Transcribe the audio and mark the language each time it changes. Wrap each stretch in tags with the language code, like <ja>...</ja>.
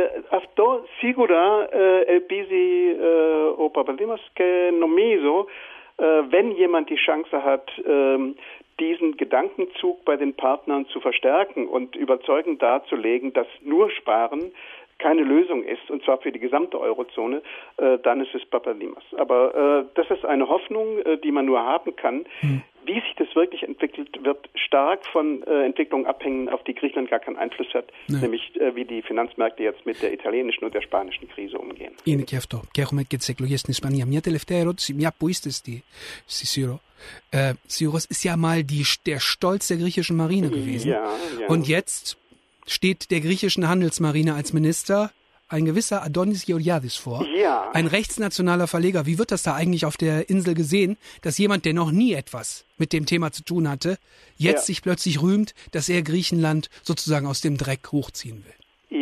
<el>αυτό σίγουρα ελπίζει ο Παπαδήμος και νομίζω</el> <de>wenn jemand die Chance hat, diesen Gedankenzug bei den Partnern zu verstärken und überzeugend darzulegen, dass nur Sparen keine Lösung ist, und zwar für die gesamte Eurozone, dann ist es Papadimos. Aber das ist eine Hoffnung, die man nur haben kann. Wie sich das wirklich entwickelt, wird stark von Entwicklungen abhängen, auf die Griechenland gar keinen Einfluss hat, nämlich wie die Finanzmärkte jetzt mit der italienischen und der spanischen Krise umgehen.</de> <el>Είναι και αυτό. Και έχουμε και τις εκλογές στην Ισπανία. Μια τελευταία ερώτηση, μια που είστε στη Σύρο.</el> <de>Σύρος ist ja mal der Stolz der griechischen Marine gewesen. Ja, ja. Und jetzt steht der griechischen Handelsmarine als Minister ein gewisser Adonis Georgiadis vor, ja. Ein rechtsnationaler Verleger. Wie wird das da eigentlich auf der Insel gesehen, dass jemand, der noch nie etwas mit dem Thema zu tun hatte, jetzt sich plötzlich rühmt, dass er Griechenland sozusagen aus dem Dreck hochziehen will?</de>